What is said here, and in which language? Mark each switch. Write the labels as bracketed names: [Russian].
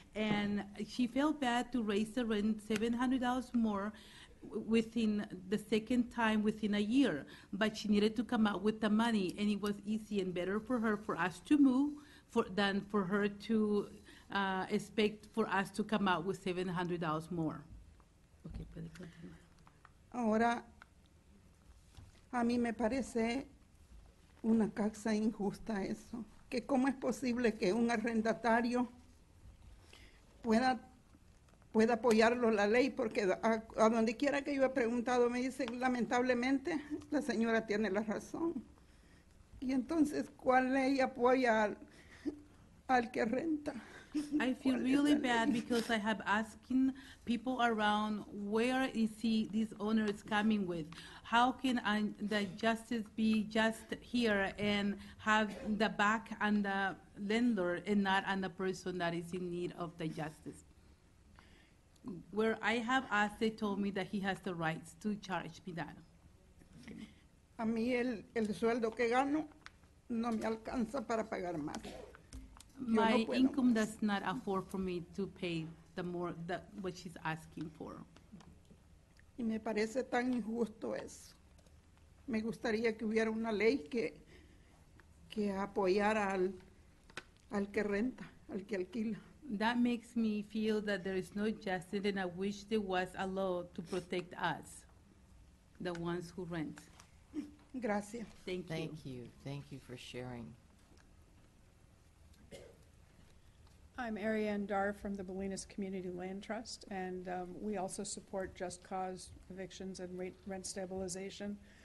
[English] And she felt bad to raise the rent $700 more within the second time within a year, but she needed to come out with the money, and it was easy and better for her for us to move than for her to expect for us to come out with $700 more. [Spanish] Okay, puede continuar. Ahora, a mí me parece una casa injusta eso, que cómo es posible que un arrendatario pueda apoyarlo la ley, porque a donde quiera que yo he preguntado me dicen, lamentablemente, la señora tiene la razón. Y entonces, ¿cuál ley apoya al que renta? [English] I feel really bad because I have asking people around, where is this owner is coming with? How can the justice be just here and have the back on the landlord and not on the person that is in need of the justice? Where I have asked, they told me that he has the rights to charge me that. [Spanish] A mí el sueldo que gano no me alcanza para pagar más. [English] My income does not afford for me to pay what she's asking for. [Spanish] Y me parece tan injusto eso. Me gustaría que hubiera una ley que apoyara al que renta, al que alquila. [English] That makes me feel that there is no justice, and I wish there was a law to protect us, the ones who rent. [Spanish] Gracias. Gracias. [English] Thank you. Thank you. Thank you for sharing. I'm Ariane Dar from the Bolinas Community Land Trust, and we also support just cause evictions and rent stabilization.